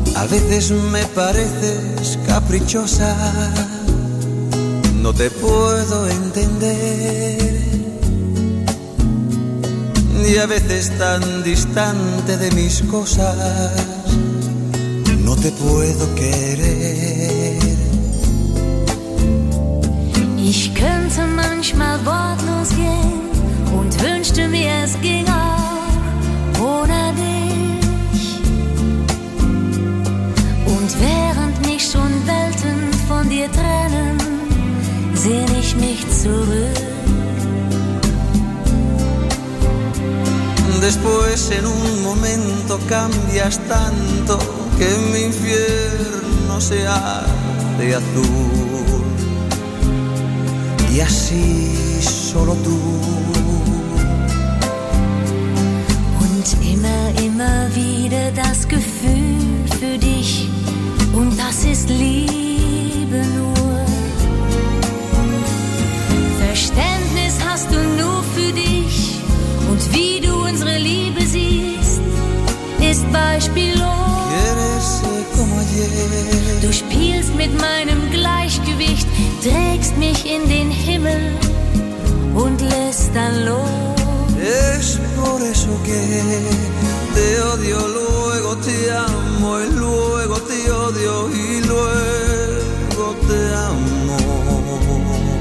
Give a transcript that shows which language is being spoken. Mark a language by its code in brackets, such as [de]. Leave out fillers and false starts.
[es] veces me pareces caprichosa, no te puedo entender. Y a veces tan distante de mis cosas, no te puedo querer. [de] Ich könnte manchmal wortlos gehen und wünschte mir, es ging auch ohne dich. Und während mich schon Welten von dir trennen, sehn ich mich zurück. [es] Después en un momento cambias tanto que mi infierno se hace azul. Y así solo tú. [de] Und immer, immer wieder das Gefühl für dich, und das ist Liebe nur. Verständnis hast du nur für dich, und wie du unsere Liebe siehst, ist beispiellos. Du spielst mit meinem Gleichgewicht, trägst mich in den Himmel und lässt dann los. [es] Es por eso que te odio, luego te amo, y luego te odio, y luego te amo.